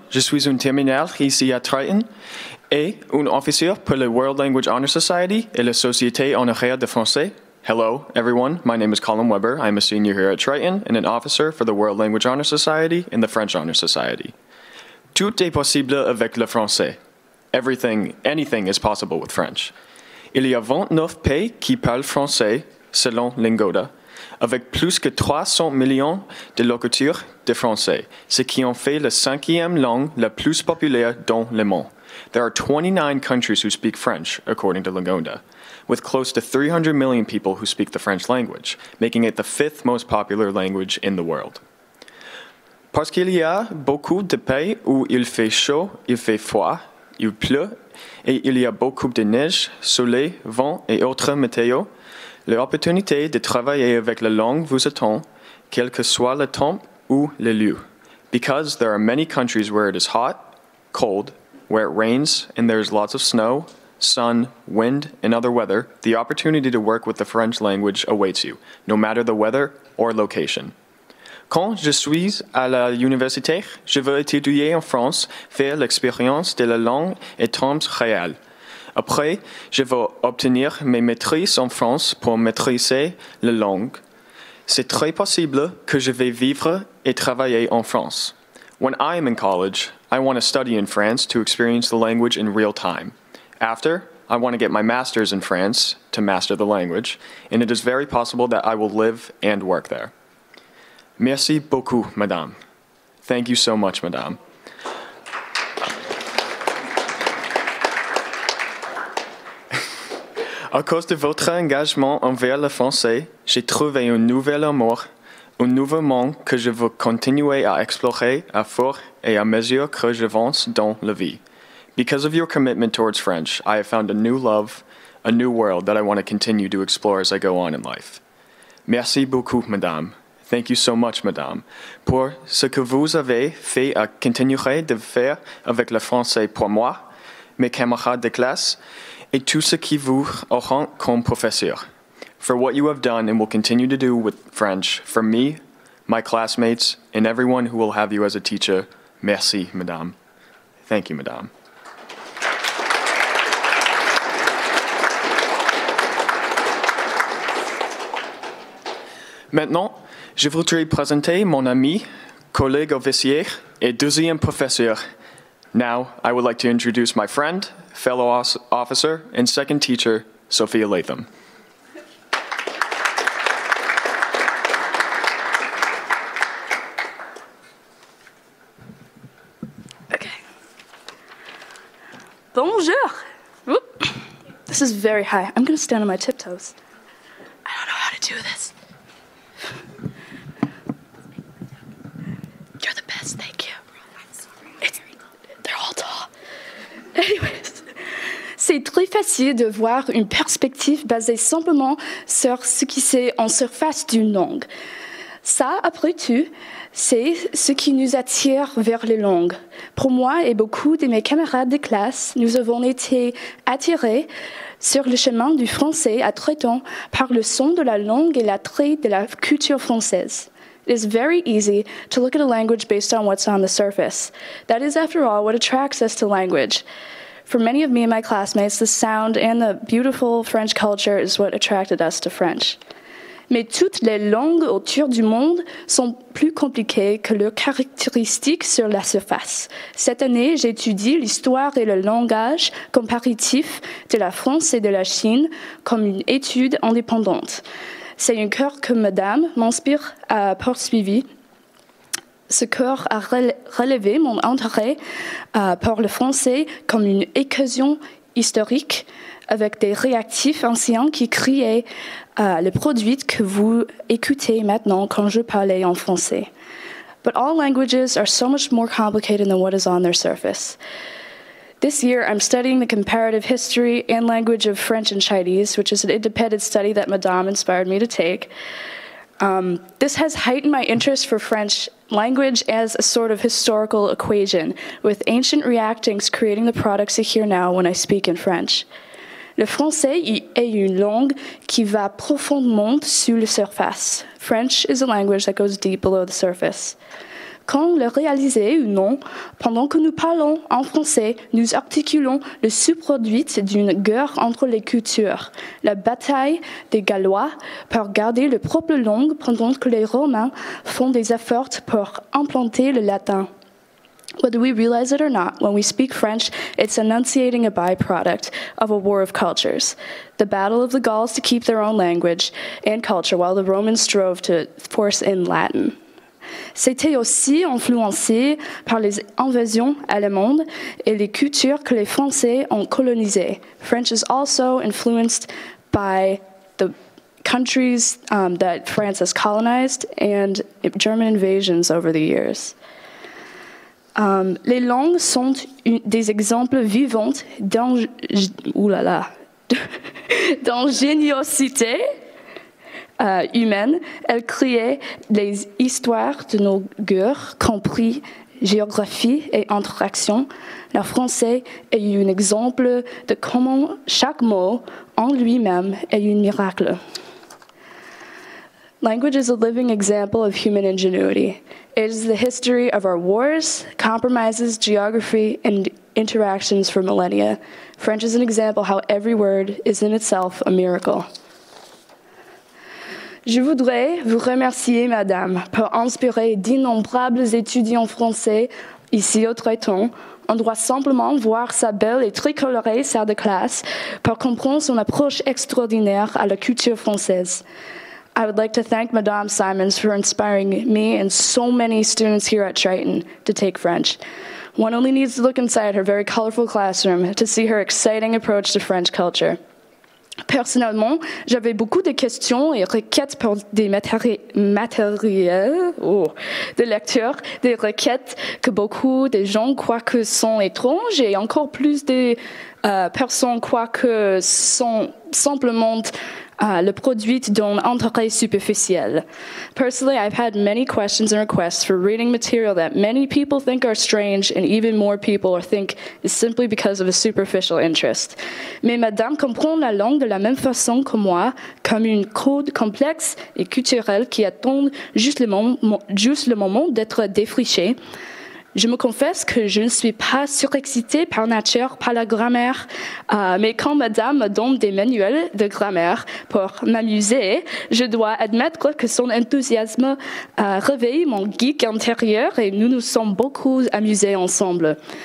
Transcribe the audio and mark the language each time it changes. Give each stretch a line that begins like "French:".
French: Je suis un terminal ici à Triton et un officier pour le World Language Honor Society et la Société Honoraire de Français.
English: Hello, everyone. My name is Colin Weber. I'm a senior here at Triton and an officer for the World Language Honor Society and the French Honor Society.
French: Tout est possible avec le français.
English: Everything, anything is possible with French.
French: Il y a 29 pays qui parlent français, selon Lingoda, avec plus que 300 millions de locuteurs de français, ce qui en fait la cinquième langue la plus populaire dans le monde.
English: There are 29 countries who speak French, according to Lingoda, with close to 300 million people who speak the French language, making it the fifth most popular language in the world.
French: Parce qu'il y a beaucoup de pays où il fait chaud, il fait froid, il pleut, et il y a beaucoup de neige, soleil, vent et autres météos, l'opportunité de travailler avec la langue vous attend, quel que soit le temps ou le lieu.
English: Because there are many countries where it is hot, cold, where it rains, and there is lots of snow, sun, wind, and other weather, the opportunity to work with the French language awaits you, no matter the weather or location.
French: Quand je suis à la université, je veux étudier en France, faire l'expérience de la langue et temps réel. Après, je vais obtenir mes maîtrises en France pour maîtriser la langue. C'est très possible que je vais vivre et travailler en France.
English: When I am in college, I want to study in France to experience the language in real time. After, I want to get my master's in France to master the language, and it is very possible that I will live and work there.
French: Merci beaucoup,
English: madame. Thank you so much, madame.
French: À cause de votre engagement envers le français, j'ai trouvé un nouvel amour, un nouveau monde que je veux continuer à explorer à fur et à mesure que j'avance dans la vie.
English: Because of your commitment towards French, I have found a new love, a new world that I want to continue to explore as I go on in life.
French: Merci beaucoup, madame.
English: Thank you so much,
French: madame, pour ce que vous avez fait à continuer de faire avec le français pour moi, mes camarades de classe, et tout ce qui vous auront comme professeur,
English: for what you have done and will continue to do with French, for me, my classmates, and everyone who will have you as a teacher,
French: merci, madame.
English: Thank you,
French: madame. Maintenant, je voudrais présenter mon ami, collègue officier, et deuxième professeur.
English: Now, I would like to introduce my friend, fellow officer, and second teacher, Sophia Latham. Okay.
French: Bonjour.
English: Oop. This is very high. I'm going to stand on my tiptoes. I don't know how to do this. You're the best, thank you. They're all tall. Anyways.
French: C'est très facile de voir une perspective basée simplement sur ce qui est en surface d'une langue. Ça, après tout, c'est ce qui nous attire vers les langues. Pour moi et beaucoup de mes camarades de classe, nous avons été attirés sur le chemin du français à Triton par le son de la langue et l'attrait de la culture française.
English: It is very easy to look at a language based on what's on the surface. That is, after all, what attracts us to language. For many of me and my classmates, the sound and the beautiful French culture is what attracted us to French.
French: mais toutes les langues autour du monde sont plus compliquées que leurs caractéristiques sur la surface. Cette année, j'étudie l'histoire et le langage comparatif de la France et de la Chine comme une étude indépendante. C'est un cours que Madame m'inspire à poursuivre. Ce cours a relevé mon intérêt pour le français comme une occasion historique avec des réactifs anciens qui criaient les produits que vous écoutez maintenant quand je parlais en français.
English: But all languages are so much more complicated than what is on their surface. This year, I'm studying the comparative history and language of French and Chinese, which is an independent study that Madame inspired me to take. This has heightened my interest for French language as a sort of historical equation, with ancient reactants creating the products I hear now when I speak in French.
French: Le français est une langue qui va profondément sous la surface.
English: French is a language that goes deep below the surface.
French: Quand le réaliser ou non, pendant que nous parlons en français, nous articulons le sous-produit d'une guerre entre les cultures, la bataille des Gallois pour garder leur propre langue pendant que les Romains font des efforts pour implanter le latin.
English: Whether we realize it or not, when we speak French, it's enunciating a byproduct of a war of cultures, the battle of the Gauls to keep their own language and culture while the Romans strove to force in Latin.
French: C'était aussi influencé par les invasions allemandes et les cultures que les Français ont colonisées.
English: French is also influenced by the countries that France has colonized and German invasions over the years.
French: Les langues sont des exemples vivants d'ingéniosité. Humaine, elle créait les histoires de nos guerres, compris géographie et interaction. Le français est un exemple de comment chaque mot en lui-même est un miracle.
English: Language is a living example of human ingenuity. It is the history of our wars, compromises, geography, and interactions for millennia. French is an example how every word is in itself a miracle.
French: Je voudrais vous remercier, Madame, pour inspirer d'innombrables étudiants français ici au Triton. On doit simplement voir sa belle et tricolorée salle de classe pour comprendre son approche extraordinaire à la culture française.
English: I would like to thank Madame Symonds for inspiring me and so many students here at Triton to take French. One only needs to look inside her very colorful classroom to see her exciting approach to French culture.
French: Personnellement, j'avais beaucoup de questions et requêtes pour des matériels de lecture, des requêtes que beaucoup de gens croient que sont étranges et encore plus des personnes croient que sont simplement le produit d'un intérêt superficiel.
English: Personally, I've had many questions and requests for reading material that many people think are strange and even more people think is simply because of a superficial interest.
French: Mais Madame comprend la langue de la même façon que moi, comme une code complexe et culturelle qui attend juste le moment d'être défrichée. Je me confesse que je ne suis pas surexcitée par nature, par la grammaire, mais quand Madame me donne des manuels de grammaire pour m'amuser, je dois admettre que son enthousiasme réveille mon geek intérieur et nous nous sommes beaucoup amusés ensemble.